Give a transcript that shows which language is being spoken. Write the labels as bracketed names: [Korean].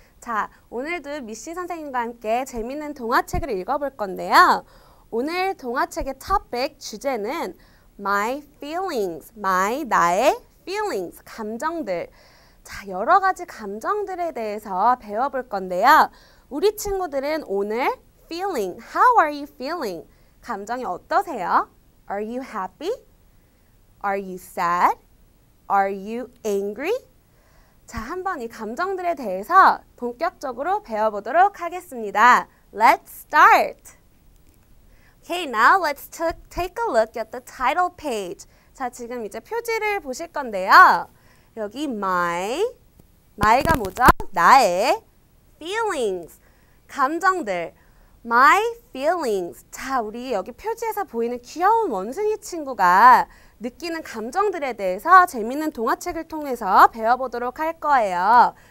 [Korean] 자, 오늘도 미씨 선생님과 함께 재미있는 동화책을 읽어볼 건데요. 오늘 동화책의 토픽 주제는 [English] My feelings, [Korean] 나의 feelings, 감정들. 자, 여러 가지 감정들에 대해서 배워볼 건데요. 우리 친구들은 오늘 [English] feeling, how are you feeling? [Korean] 감정이 어떠세요? [English] Are you happy? Are you sad? Are you angry? [Korean] 자, 한번 이 감정들에 대해서 본격적으로 배워보도록 하겠습니다. [English] Let's start! Okay, now let's take a look at the title page. [Korean] 자, 지금 이제 표지를 보실 건데요. 여기 my가 뭐죠? 나의 feelings, 감정들. [English] My feelings. [Korean] 자, 우리 여기 표지에서 보이는 귀여운 원숭이 친구가 느끼는 감정들에 대해서 재미있는 동화책을 통해서 배워보도록 할 거예요.